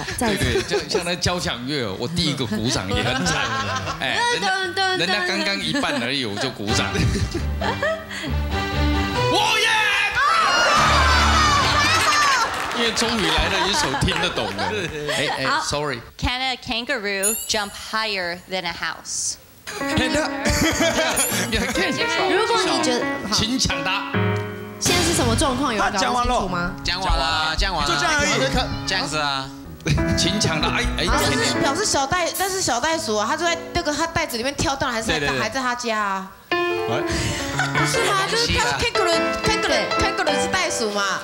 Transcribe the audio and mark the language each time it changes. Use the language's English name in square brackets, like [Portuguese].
[Chinese] 对对，像那交响乐，我第一个鼓掌也很惨。哎，人家刚刚一半而已，我就鼓掌。我也。因为终于来了一首听得懂的。哎哎 ，Sorry。 [English] Can a kangaroo jump higher than a house？ [Chinese] 如果你觉得，请抢答。现在是什么状况？有搞清楚吗？讲完了，讲完了，就这样而已。这样子啊，请抢答。哎，就是表示小袋，但是小袋鼠啊，它就在那个它袋子里面跳动，还在它家啊？不是吗？就是 Kangaroo 是袋鼠嘛？